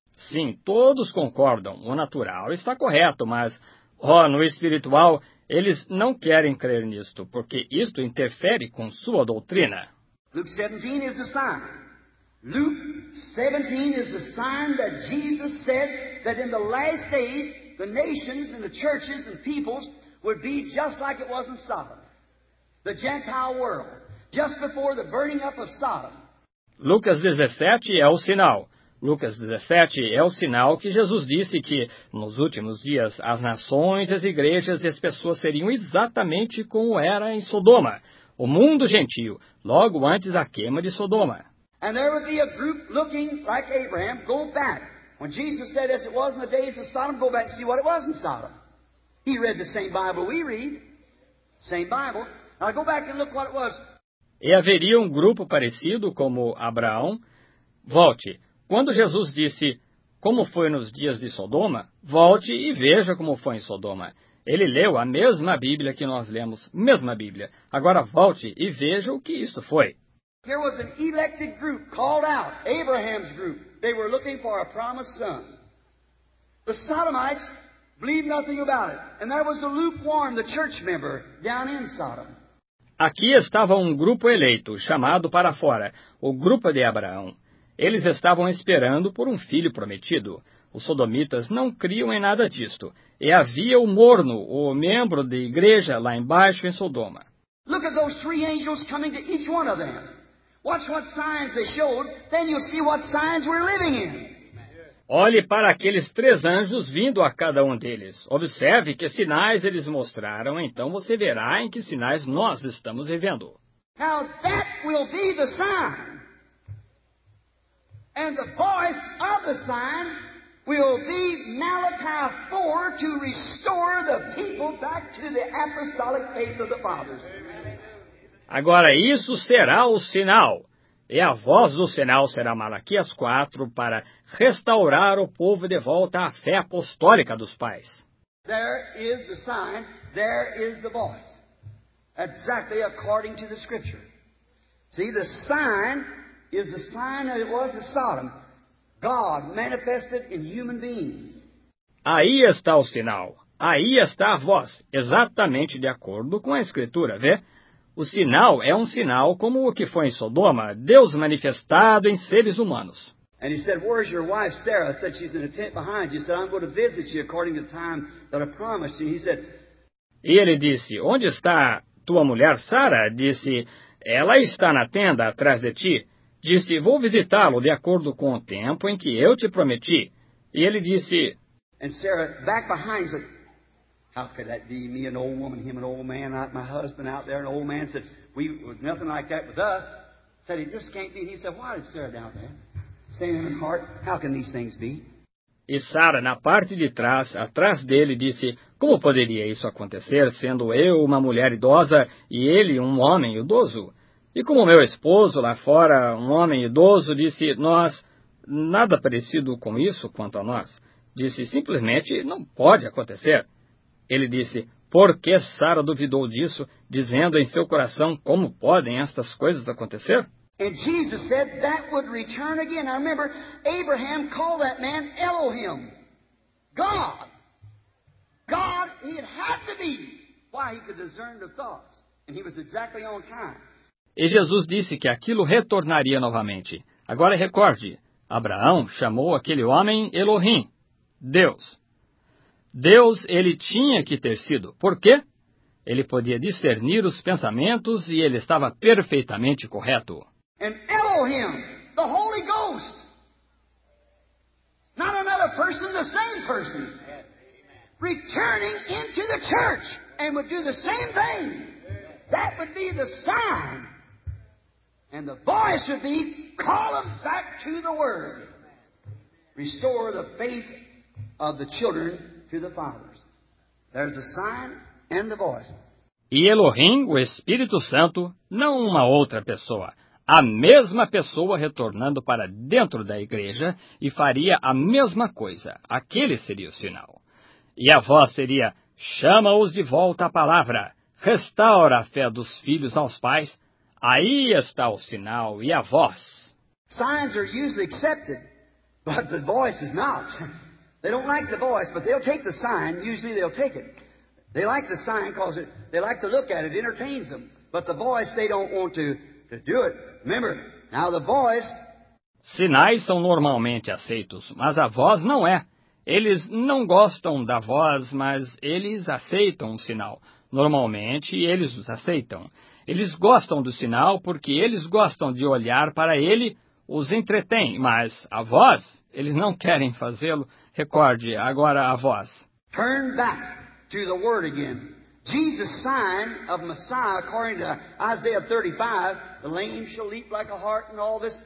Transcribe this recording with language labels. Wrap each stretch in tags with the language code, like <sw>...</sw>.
<pt>Sim, todos concordam, o natural está correto, mas, no espiritual, eles não querem crer nisto, porque isto interfere com sua doutrina.</pt> <en>Luke 17 is the sign. Luke 17 is the sign that Jesus said that in the last days, the nations and the churches and peoples would be just like it was in Sodom. The Gentile world, just before the burning up of Sodom.</en> <pt>Lucas 17 é o sinal. Lucas 17 é o sinal que Jesus disse que, nos últimos dias, as nações, as igrejas e as pessoas seriam exatamente como era em Sodoma, o mundo gentio, logo antes da queima de Sodoma.</pt> <en>And there would be a group looking like Abraham, go back. When Jesus said, as it was in the days of Sodom, go back and see what it was in Sodom. He read the same Bible we read, same Bible. Now go back and look what it was.</en> <pt>E haveria um grupo parecido como Abraão, volte. Quando Jesus disse, como foi nos dias de Sodoma, volte e veja como foi em Sodoma. Ele leu a mesma Bíblia que nós lemos, mesma Bíblia. Agora volte e veja o que isto foi.</pt> <en>There was an elected group called out, Abraham's group. They were looking for a promised son. The Sodomites believed nothing about it. And there was a lukewarm, the church member, down in Sodom.</en> <pt>Aqui estava um grupo eleito, chamado para fora, o grupo de Abraão. Eles estavam esperando por um filho prometido. Os sodomitas não criam em nada disto. E havia o morno, o membro da igreja, lá embaixo em Sodoma.</pt> <en>Look at those three angels coming to each one of them. Watch what signs they showed, then you'll see what signs we're living in.</en> <pt>Olhe para aqueles três anjos vindo a cada um deles. Observe que sinais eles mostraram, então você verá em que sinais nós estamos vivendo.</pt> <en>Now that will be the sign. And the voice of the sign will be Malachi 4 to restore the people back to the apostolic faith of the fathers.</en> <pt>Agora, isso será o sinal. E a voz do sinal será Malaquias 4 para restaurar o povo de volta à fé apostólica dos pais.</pt> <en>There is the sign. There is the voice. Exactly according to the scripture. See, the sign is the sign that it was in Sodom, God manifested in human beings.</en> <pt>Aí está o sinal. Aí está a voz, exatamente de acordo com a Escritura, vê? O sinal é um sinal como o que foi em Sodoma, Deus manifestado em seres humanos.</pt> <en>And he said, where's your wife, Sarah? I said, she's in a tent behind you. He said, I'm going to visit you according to the time that I promised you. He said,</en> <pt>e ele disse, onde está tua mulher, Sarah? Disse, ela está na tenda atrás de ti. Disse, vou visitá-lo de acordo com o tempo em que eu te prometi. E ele disse,</pt> <en>and Sarah, back behind, said, how could that be? Me, an old woman, him, an old man, not my husband out there. An old man said, we was nothing like that with us. Said, it just can't be. And he said, why is Sarah down there? Saying in her heart, how can these things be?</en> <pt>E Sarah, na parte de trás, atrás dele, disse, como poderia isso acontecer, sendo eu uma mulher idosa e ele um homem idoso? E como meu esposo lá fora, um homem idoso, disse, nós, nada parecido com isso quanto a nós. Disse, simplesmente, não pode acontecer. Ele disse, Por que Sara duvidou disso, dizendo em seu coração, como podem estas coisas acontecer?</pt> <en>And Jesus said that would return again. I remember Abraham called that man Elohim. God. God, it had to be. Why he could discern the thoughts. And he was exactly on time.</en> <pt>E Jesus disse que aquilo retornaria novamente. Agora recorde, Abraão chamou aquele homem Elohim, Deus. Deus ele tinha que ter sido. Por quê? Ele podia discernir os pensamentos e ele estava perfeitamente correto.</pt> <en>And Elohim, the Holy Ghost. Not another person, the same person. Returning into the church and would do the same thing. That would be the sign. And the voice would be, call them back to the word. Restore the faith of the children to the fathers. There's a sign and the voice.</en> <pt>E Elohim, o Espírito Santo, não uma outra pessoa. A mesma pessoa retornando para dentro da igreja e faria a mesma coisa. Aquele seria o sinal. E a voz seria, chama-os de volta à palavra. Restaura a fé dos filhos aos pais. Aí está o sinal e a voz.</pt> <en>Signs are usually accepted, but the voice is not. They don't like the voice, but they'll take the sign. Usually they'll take it. They like the sign because they like to look at it. It entertains them. But the voice, they don't want to do it. Remember, now the voice.</en> <pt>Sinais são normalmente aceitos, mas a voz não é. Eles não gostam da voz, mas eles aceitam o sinal. Normalmente, eles os aceitam. Eles gostam do sinal porque eles gostam de olhar para ele, os entretém, mas a voz, eles não querem fazê-lo. Recorde agora a voz.</pt> <en>Turn back to the word again. Jesus' sign of Messiah, according to Isaiah 35, the lame shall leap like a hart and all this.</en>